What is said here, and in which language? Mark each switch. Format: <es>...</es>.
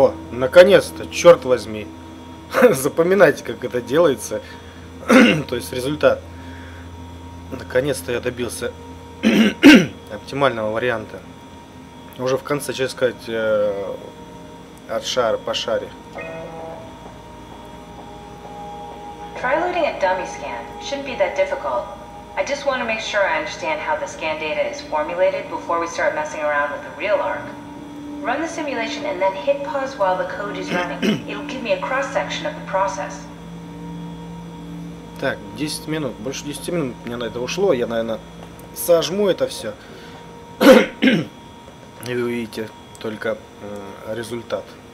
<ru>Наконец-то, черт возьми. Запоминайте, как это делается. То есть результат. Наконец-то я добился оптимального варианта. Уже в конце, честно сказать, от шара по шаре.</ru> <en>Try loading a dummy scan. Shouldn't be that difficult. I just want to make sure I understand how the scan data is formulated before we start messing around with the real arc. Run the simulation and then hit pause while the code is running. It'll give me a cross-section of the process.</en> <ru>Так, 10 минут. Больше 10 минут мне на это ушло. Я, наверное, сожму это все. И вы увидите только результат.</ru>